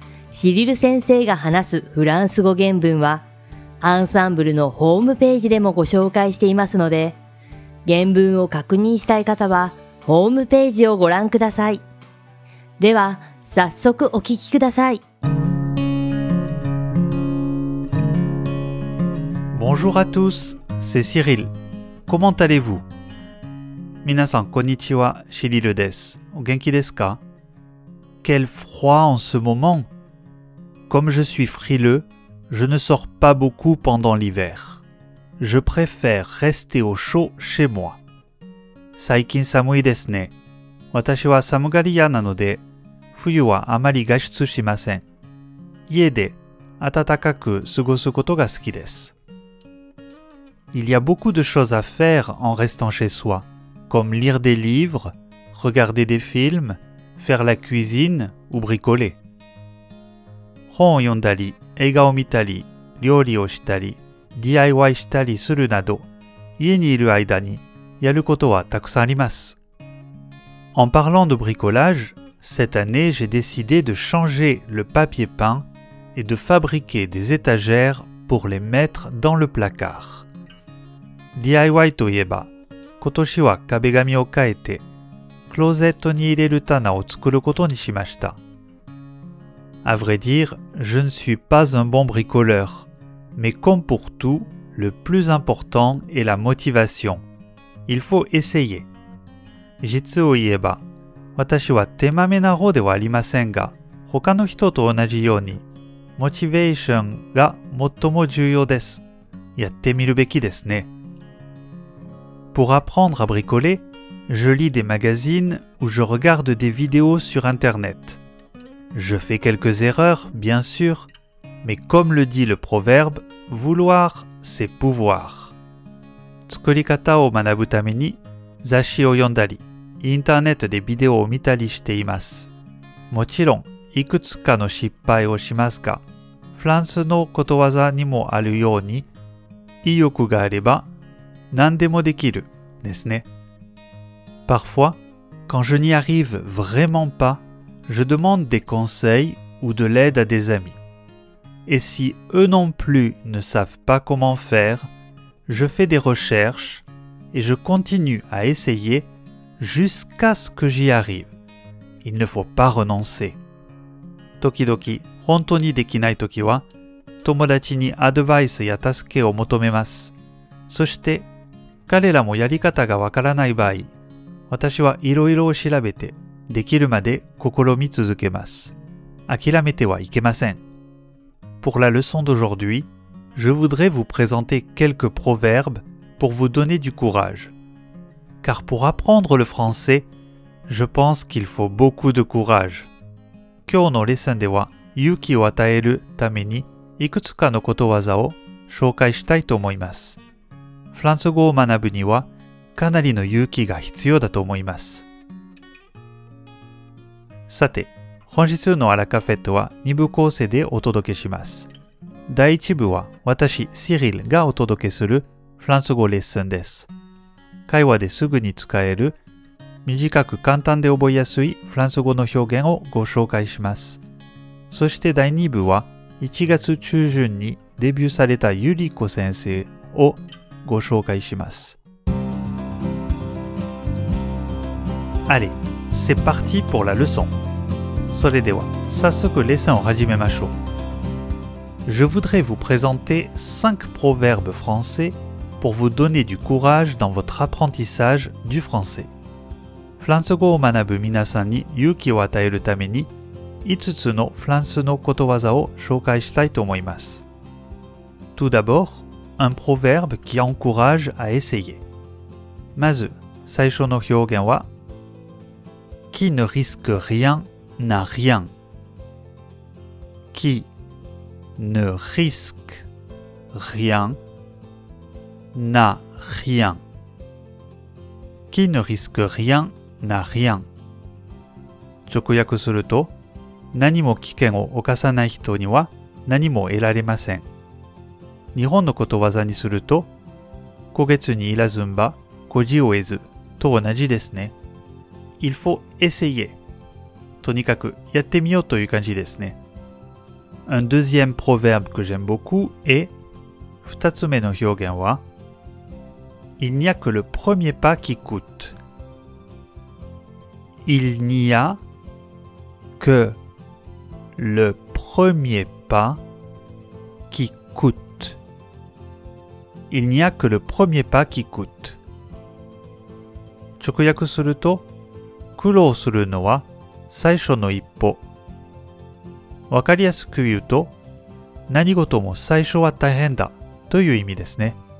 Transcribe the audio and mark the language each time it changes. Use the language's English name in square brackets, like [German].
[Japanese] シリル先生が話すフランス語原文はアンサンブルのホームページでもご紹介していますので、原文を確認したい方はホームページをご覧ください。では、早速お聞きください。 [French] Bonjour à tous, c'est Cyril. Comment allez-vous? [Japanese] 皆さん、こんにちは、シリルです。お元気ですか? [French] Quel froid en ce moment! Comme je suis frileux, je ne sors pas beaucoup pendant l'hiver. Je préfère rester au chaud chez moi. [Japanese] 最近寒いですね。私は寒がり屋なので、冬はあまり外出しません。家で暖かく過ごすことが好きです。 [French] Il y a beaucoup de choses à faire en restant chez soi, comme lire des livres, regarder des films, faire la cuisine ou bricoler. [Japanese] 本を読んだり、映画を見たり、料理をしたり、DIY したりするなど、家にいる間にやることはたくさんあります。 [French] En parlant de bricolage,Cette année, j'ai décidé de changer le papier peint et de fabriquer des étagères pour les mettre dans le placard. [Japanese] DIY といえば、今年は壁紙を変えて、クローゼットに入れる棚を作ることにしました。 [French] À vrai dire, je ne suis pas un bon bricoleur, mais comme pour tout, le plus important est la motivation. Il faut essayer. [Japanese] 実を言えば、私は手まめな方ではありませんが、他の人と同じように、モチベーションが最も重要です。やってみるべきですね。 [French] Pour apprendre à bricoler, je lis des magazines ou je regarde des vidéos sur Internet. Je fais quelques erreurs, bien sûr, mais comme le dit le proverbe, vouloir, c'est pouvoir. [Japanese] 作り方を学ぶために、雑誌を読んだり、インターネットでビデオを見たりしています。もちろん、いくつかの失敗をしますが、フランスのことわざにもあるように、意欲があれば、何でもできる、ですね。 [French] Parfois, quand je n'y arrive vraiment pas, je demande des conseils ou de l'aide à des amis. Et si eux non plus ne savent pas comment faire, je fais des recherches et je continue à essayerJusqu'à ce que j'y arrive. Il ne faut pas renoncer. [Japanese] 時々、本当にできない時は、友達にアドバイスや助けを求めます。そして、彼らもやり方がわからない場合、私はいろいろを調べて、できるまで試み続けます。諦めてはいけません。 [French] Pour la leçon d'aujourd'hui, je voudrais vous présenter quelques proverbes pour vous donner du courage. Car pour apprendre le français, je pense qu'il faut beaucoup de courage. [Japanese] 今日のレッスンでは、勇気を与えるために、いくつかのことわざを紹介したいと思います。フランス語を学ぶには、かなりの勇気が必要だと思います。さて、本日のアラカフェットは2部構成でお届けします。第1部は、私、シリルがお届けするフランス語レッスンです。会話ですぐに使える、短く簡単で覚えやすいフランス語の表現をご紹介します。そして第2部は、1月中旬にデビューされたユリコ先生をご紹介します。 [French] Allez, c'est parti pour la leçon. [Japanese] それでは、早速レッスンを始めましょう。 [French] Je voudrais vous présenter 5 proverbes françaisPour vous donner du courage dans votre apprentissage du français. [Japanese] フランス語を学ぶ皆さんに勇気を与えるために 5つのフランスのことわざを紹介したいと思います。 [French] Tout d'abord, un proverbe qui encourage à essayer. [Japanese] まず、最初の表現は、 [French] Qui ne risque rien n'a rien. Qui ne risque rien n'a rien. Qui ne risque rien n'a rien. [Japanese] 直訳すると、何も危険を犯さない人には何も得られません。日本のことわざにすると、こげつにいらずんば、こじを得ずと同じですね。 [French] Il faut essayer. [Japanese] とにかく、やってみようという感じですね。 [French] Un deuxième proverbe que j'aime beaucoup est [Japanese] 二つ目の表現は、 [French] Il n'y a que le premier pas qui coûte. Il n'y aQue le premier pas qui coûte. Il n'y a que le premier pas qui coûte. [Japanese] 直訳すると、苦労するのは最初の一歩。わかりやすく言うと、何事も最初は大変だという意味ですね。